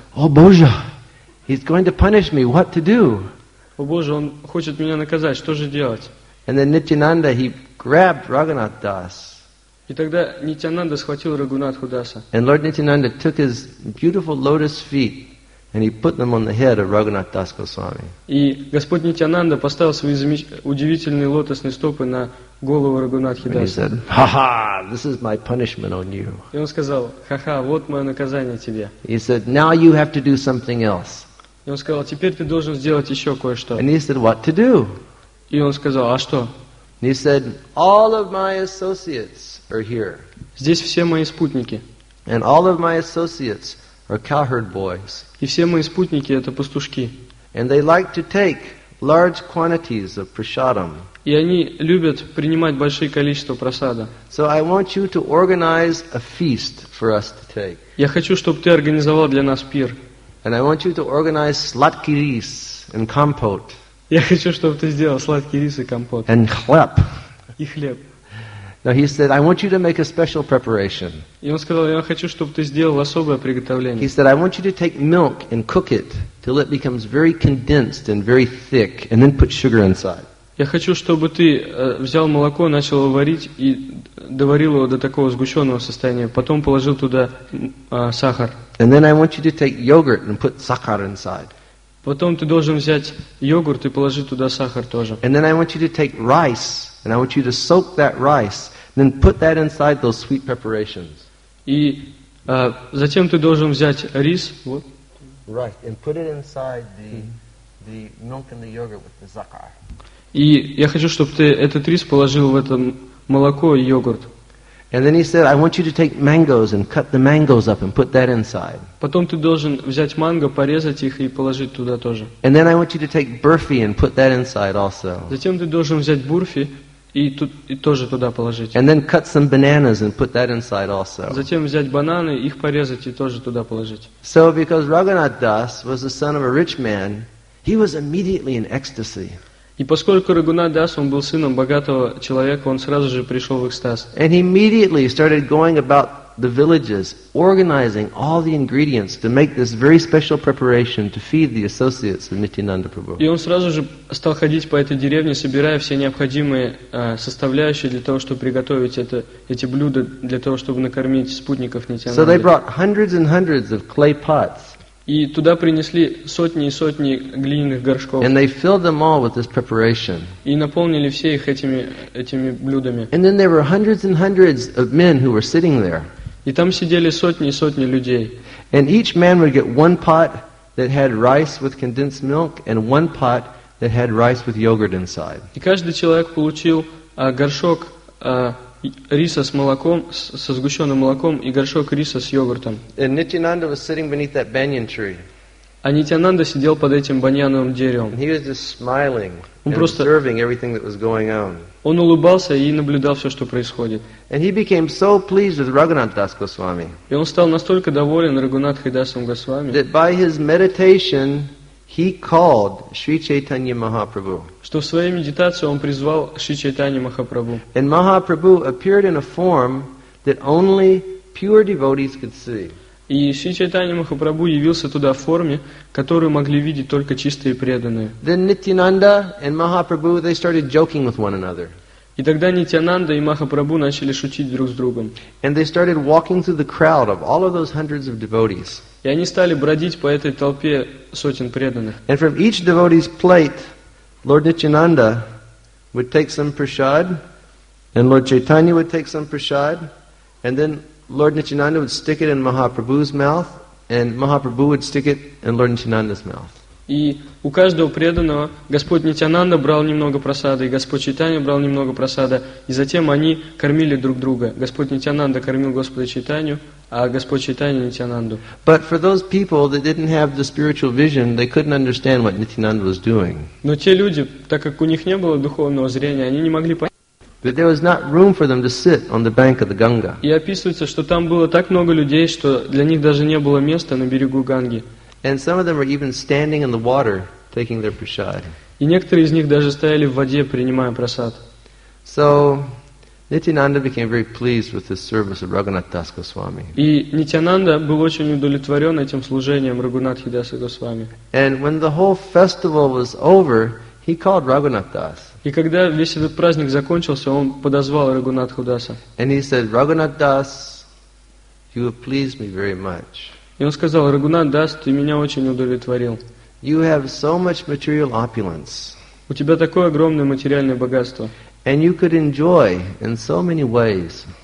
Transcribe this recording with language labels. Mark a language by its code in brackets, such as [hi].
[ru] О Боже, [en] he's going to punish me, what to do? [ru] О Боже, он хочет меня наказать, что же делать? [en] And then Nityananda, he grabbed Raghunath Das. [ru] И тогда Нитянанда схватил Рагунатху Даса. [en] And Lord Nityananda took his beautiful lotus feet And he put them on the head of Raghunath Das Goswami. [ru] И Господь Нитянанда поставил свои удивительные лотосные стопы на голову Рагунатхи Даса. [en] And he said, "Ha-ha, this is my punishment on you." [ru] И он сказал, "Ха-ха, вот мое наказание тебе." [en] He said, "Now you have to do something else." [ru] И он сказал, "Теперь ты должен сделать еще кое-что." [en] And he said, "What to do?" [ru] И он сказал, "А что?" [en] And he said, "All of my associates are here." [ru] Здесь все мои спутники. [en] And all of my associates. Or cowherd boys. [ru] И все мои спутники это пастушки. [en] And they like to take large quantities of prasadam. [ru] И они любят принимать большие количества просада. [en] So I want you to organize a feast for us to take. [ru] Я хочу, чтобы ты организовал для нас пир. [en] And I want you to organize [ru] сладкий рис [en] and compote. [ru] Я хочу, чтобы ты сделал сладкий рис и компот. [en] And [ru] хлеб. И хлеб. [en] Now he said, I want you to make a special preparation. [ru] И он сказал, я хочу, чтобы ты сделал особое приготовление. [en] He said, I want you to take milk and cook it till it becomes very condensed and very thick, and then put sugar inside. [ru] Я хочу, чтобы ты взял молоко, начал его варить и доварил его до такого сгущенного состояния, потом положил туда сахар. [en] And then I want you to take yogurt and put sakar inside. [ru] Потом ты должен взять йогурт и положить туда сахар тоже. [en] And then I want you to take rice. And I want you to soak that rice, then put that inside those sweet preparations. [ru] И затем ты должен взять рис, вот. [en] Right, and put it inside the milk and the yogurt with the zakar. [ru] И я хочу, чтобы ты этот рис положил в это молоко и йогурт. [en] And then he said, I want you to take mangoes and cut the mangoes up and put that inside. [ru] Потом ты должен взять манго, порезать их и положить туда тоже. [en] And then I want you to take burfi and put that inside also. [ru] Затем ты должен взять бурфи. И тут и тоже туда положить. [en] And then cut some bananas and put that inside also. [ru] Затем взять бананы, их порезать и тоже туда положить. [en] So because Raghunath Das was the son of a rich man, He was immediately in ecstasy. [ru] И поскольку Рагунат Дас, он был сыном богатого человека, он сразу же пришел в экстаз. [en] And he immediately started going about the villages, organizing all the ingredients to make this very special preparation to feed the associates of Nityananda Prabhu. [ru] И он сразу же стал ходить по этой деревне, собирая все необходимые составляющие для того, чтобы приготовить эти блюда для того, чтобы накормить спутников Нитянанды. [en] So they brought hundreds and hundreds of clay pots. [ru] И туда принесли сотни и сотни глиняных горшков. [en] And they filled them all with this preparation. [ru] И наполнили все их этими блюдами. [en] And then there were hundreds and hundreds of men who were sitting there. [ru] И там сидели сотни и сотни людей. [en] And each man would get one pot that had rice with condensed milk and one pot that had rice with yogurt inside. [ru] И каждый человек получил горшок риса с молоком, со сгущенным молоком и горшок риса с йогуртом. [en] And Nityananda was sitting beneath that banyan tree. [ru] А Нитянанда сидел под этим баньяновым деревом. [en] He was just smiling and observing everything that was going on. [ru] Он улыбался и наблюдал все, что происходит. [en] And he became so pleased with Raghunath Das Goswami. [ru] И он стал настолько доволен Рагунатхой Дасом Госвами. [en] That by his meditation he called Sri Chaitanya Mahaprabhu. [ru] Что в своей медитации он призвал Шри Чайтанья Махапрабху. [en] And Mahaprabhu appeared in a form that only pure devotees could see. [ru] И Шри Чайтанья Махапрабху явился туда в форме, которую могли видеть только чистые преданные. [en] Then Nityananda and Mahaprabhu, they started joking with one another. [ru] И тогда Нитянанда и Махапрабху начали шутить друг с другом. [en] And they started walking through the crowd of all of those hundreds of devotees. [ru] И они стали бродить по этой толпе сотен преданных. [en] And from each devotee's plate, Lord Nityananda would take some prasad, and Lord Chaitanya would take some prasad, and then Lord Nityananda would stick it in Mahaprabhu's mouth, and Mahaprabhu would stick it in Lord Nityananda's mouth. [ru] И у каждого преданного Господь Нитянанда брал немного просады, и Господь Чайтанья брал немного просады, и затем они кормили друг друга. Господь Нитянанда кормил Господа Чайтанью, а Господь Чайтанья Нитянанду. [en] But for those people that didn't have the spiritual vision, they couldn't understand what Nityananda was doing. [ru] Но те люди, так как у них не было духовного зрения, они не могли понять. [en] But there was not room for them to sit on the bank of the Ganga. [ru] И описывается, что там было так много людей, что для них даже не было места на берегу Ганги. [en] And some of them were even standing in the water, taking their prasad. [ru] И некоторые из них даже стояли в воде, принимая прасад. [en] So Nityananda became very pleased with this service of Raghunath Das Goswami. [ru] И Нитянанда был очень удовлетворен этим служением Рагунатхи Даса Госвами. [en] And when the whole festival was over, he called Raghunath Das. [ru] И когда весь этот праздник закончился, он подозвал Рагунатху Даса. [en] And he said, Raghunath Das, you have pleased me very much. [ru] И он сказал, Рагунат Дас, ты меня очень удовлетворил. [en] You have so much material opulence. [ru] У тебя такое огромное материальное богатство. [en] And you could enjoy in so many ways.